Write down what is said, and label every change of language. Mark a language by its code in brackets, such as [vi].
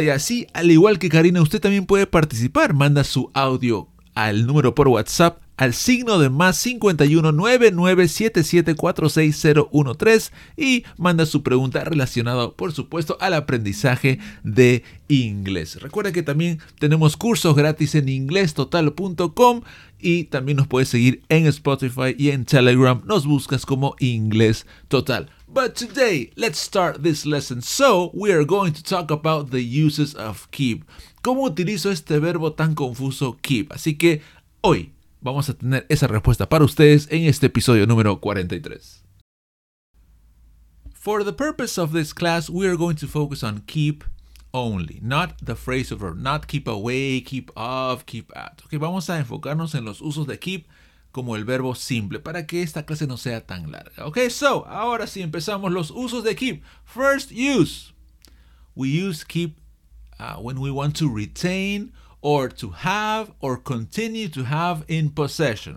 [es] Y así, al igual que Karina, usted también puede participar. Manda su audio al número por WhatsApp al signo de más 51 99 77 46 013, y manda su pregunta relacionada, por supuesto, al aprendizaje de inglés. Recuerda que también tenemos cursos gratis en inglestotal.com, y también nos puedes seguir en Spotify y en Telegram. Nos buscas como Inglés Total. [en] But today, let's start this lesson. So, we are going to talk about the uses of keep. [es] ¿Cómo utilizo este verbo tan confuso, keep? Así que hoy vamos a tener esa respuesta para ustedes en este episodio número 43. [en] For the purpose of this class, we are going to focus on keep only, not the phrasal verb, not keep away, keep off, keep at. [es] Okay, vamos a enfocarnos en los usos de keep como el verbo simple, para que esta clase no sea tan larga. Okay, so, ahora sí empezamos los usos de keep. [en] First use, we use keep when we want to retain or to have or continue to have in possession.